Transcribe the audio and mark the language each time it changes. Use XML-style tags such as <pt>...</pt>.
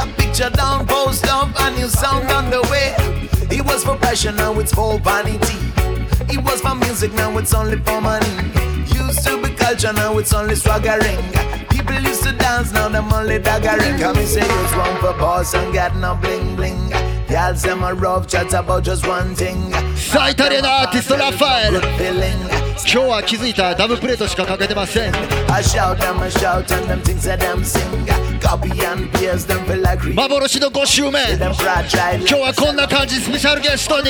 <en>Picture down, post up, a new sound on the way. It was for passion, now it's for vanity. It was for music, now it's only for money. Used to be culture, now it's only swaggering. People used to dance, now them only daggering. Come and say it's one for boss and get no bling bling. Y'all say my rough chat about just one thing.</en> <ja>さあ、イタリアのアーティスト、ラファエル。今日は気づいたダブプレートしかかけてません。</ja> <en>I shout them, I shout and them things that them sing. Copy and paste them for like</en> <ja>real. 幻の5周目。今日はこんな感じ、スペシャルゲストに。</ja>